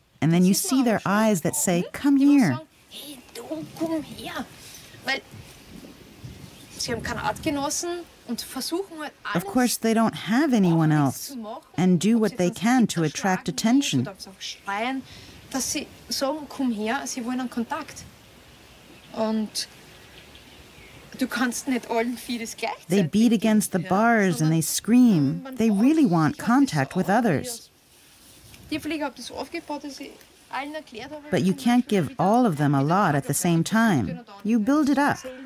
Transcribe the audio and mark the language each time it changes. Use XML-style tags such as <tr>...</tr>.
<en>And then you see their eyes that say, come here.</en> <de>Hey, du, komm her. Weil sie haben keine Artgenossen und versuchen halt alles.</de> <en>Of course, they don't have anyone else and do what they can to attract attention.</en> <de>Schreien, dass sie sagen, komm her, sie wollen einen Kontakt. Und du kannst nicht allen vieles gleichzeitig.</de> <en>They beat against the bars and they scream. They really want contact with others.</en> <de>Die Pflege hat das aufgebaut, dass sie</de> <en>But you can't give all of them a lot at the same time. You build it up.</en>